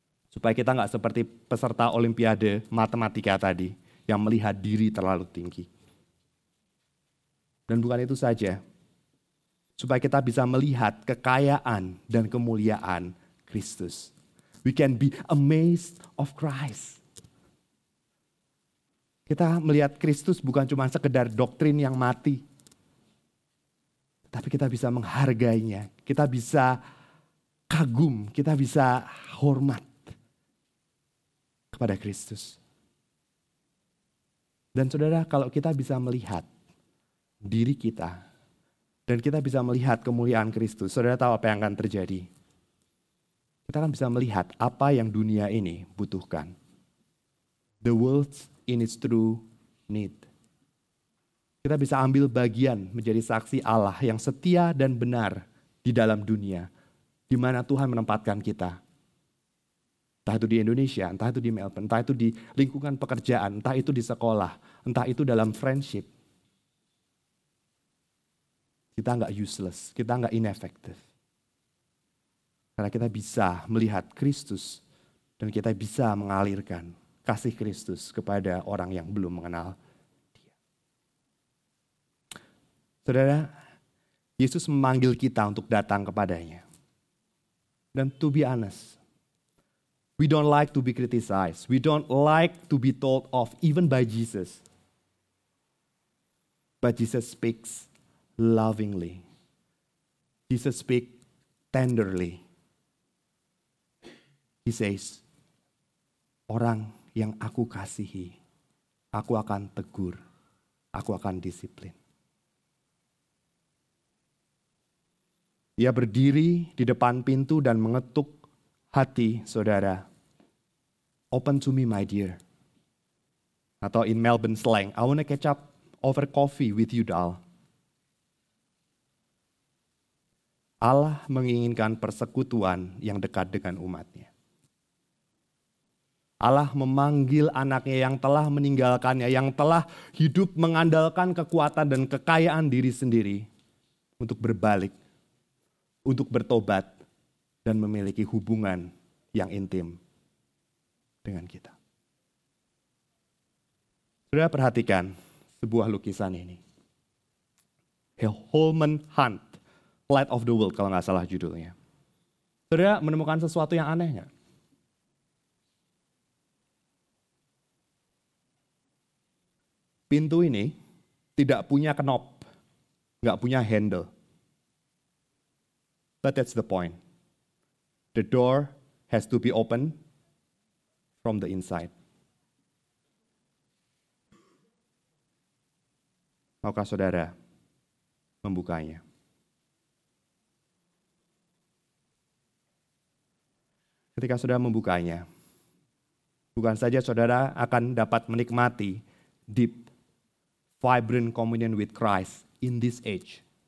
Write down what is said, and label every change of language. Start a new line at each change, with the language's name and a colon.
Indonesian: Supaya kita gak seperti peserta olimpiade matematika tadi, yang melihat diri terlalu tinggi. Dan bukan itu saja, supaya kita bisa melihat kekayaan dan kemuliaan Kristus.
English: We can be amazed of Christ.
Indonesian: Kita melihat Kristus bukan cuma sekedar doktrin yang mati, tapi kita bisa menghargainya, kita bisa kagum, kita bisa hormat kepada Kristus. Dan saudara, kalau kita bisa melihat diri kita, dan kita bisa melihat kemuliaan Kristus, saudara tahu apa yang akan terjadi? Kita akan bisa melihat apa yang dunia ini butuhkan.
English: The world in its true need.
Indonesian: Kita bisa ambil bagian menjadi saksi Allah yang setia dan benar di dalam dunia, di mana Tuhan menempatkan kita. Entah itu di Indonesia, entah itu di Melbourne, entah itu di lingkungan pekerjaan, entah itu di sekolah, entah itu dalam friendship. Kita enggak useless, kita enggak ineffective. Karena kita bisa melihat Kristus dan kita bisa mengalirkan kasih Kristus kepada orang yang belum mengenal dia. Saudara, Yesus memanggil kita untuk datang kepadanya. Dan
English: to be honest, we don't like to be criticized. We don't like to be told off, even by Jesus. But Jesus speaks lovingly. Jesus speaks tenderly. He says,
Indonesian: orang yang aku kasihi, aku akan tegur, aku akan disiplin. Ia berdiri di depan pintu dan mengetuk hati saudara.
English: Open to me, my dear.
Indonesian: Atau
English: in Melbourne slang, I want to catch up over coffee with you, doll.
Indonesian: Allah menginginkan persekutuan yang dekat dengan umatnya. Allah memanggil anaknya yang telah meninggalkannya, yang telah hidup mengandalkan kekuatan dan kekayaan diri sendiri untuk berbalik, untuk bertobat, dan memiliki hubungan yang intim dengan kita. Sudah perhatikan sebuah lukisan ini. Holman Hunt, Light of the World, kalau nggak salah judulnya. Sudah menemukan sesuatu yang aneh nggak? Pintu ini tidak punya knob, nggak punya handle.
English: But that's the point. The door has to be open from the inside.
Indonesian: Maukah saudara membukanya? Ketika saudara membukanya, bukan saja saudara akan dapat menikmati
English: deep, vibrant communion with Christ in this age.